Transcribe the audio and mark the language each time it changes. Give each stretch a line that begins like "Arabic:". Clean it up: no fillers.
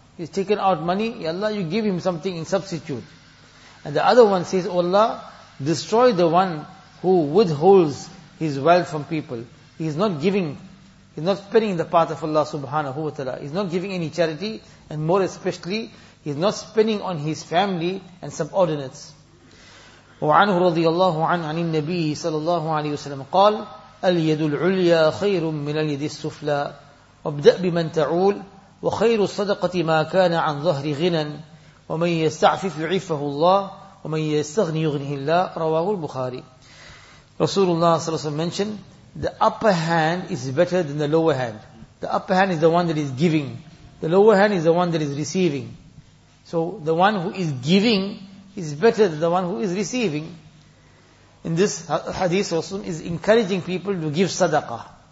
English: He's taken out money, Ya Allah, you give him something in substitute. And the other one says, Oh Allah, destroy the one who withholds his wealth from people. He is not giving, he's not spending in the path of Allah subhanahu wa ta'ala. He's not giving any charity, and more especially, he's not spending on his family and subordinates.
Arabic: وعنه رضي الله عنه عن النبي صلى الله عليه وسلم قال اليد العليا خير من اليد السفلى وابدأ بمن تعول وخير الصدقة ما كان عن ظهر غنى ومن يستعفف يعفه الله ومن يستغني يغنه الله. رواه البخاري.
English: Rasulullah صلى الله عليه وسلم mentioned the upper hand is better than the lower hand. The upper hand is the one that is giving. The lower hand is the one that is receiving. So the one who is giving is better than the one who is receiving. In this hadith, Rasulullah is encouraging people to give sadaqah.